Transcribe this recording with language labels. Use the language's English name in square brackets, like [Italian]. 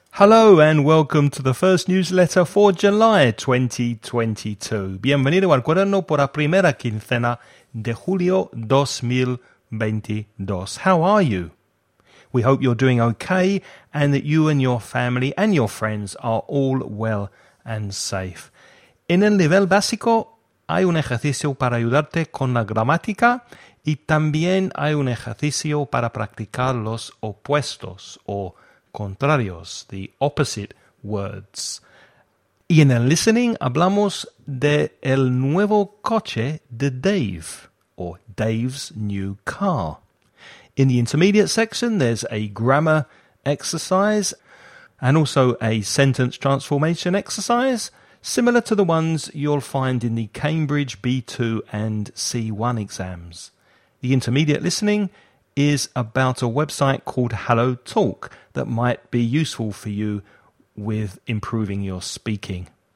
[English] Hello and welcome to the first newsletter for July 2022. [Spanish] Bienvenido al cuaderno por la primera quincena de julio 2022. [English] How are you? We hope you're doing okay and that you and your family and your friends are all well and safe. [Spanish] En el nivel básico hay un ejercicio para ayudarte con la gramática y también hay un ejercicio para practicar los opuestos o contrarios, [English] the opposite words. [Spanish] Y en el listening hablamos de el nuevo coche de Dave, [English] or Dave's new car. In the intermediate section, there's a grammar exercise and also a sentence transformation exercise, similar to the ones you'll find in the Cambridge B2 and C1 exams. The intermediate listening is about a website called HelloTalk that might be useful for you with improving your speaking.